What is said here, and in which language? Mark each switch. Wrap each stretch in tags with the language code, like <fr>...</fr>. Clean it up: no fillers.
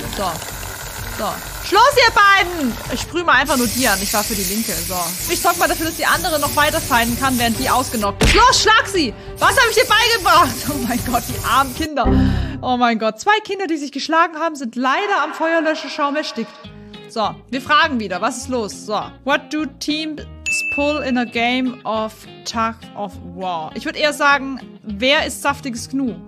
<de>So, so. Schluss, ihr beiden! Ich sprühe mal einfach nur die an. Ich war für die Linke, so. Ich sorge mal dafür, dass die andere noch weiterfeinden kann, während die ausgenockt ist. Los, schlag sie! Was habe ich dir beigebracht? Oh mein Gott, die armen Kinder. Oh mein Gott, zwei Kinder, die sich geschlagen haben, sind leider am Feuerlöscherschaum erstickt. So, wir fragen wieder, was ist los?</de> <en>So, what do teams pull in a game of tug of war?</en> <de>Ich würde eher sagen, wer ist saftiges Gnu?</de>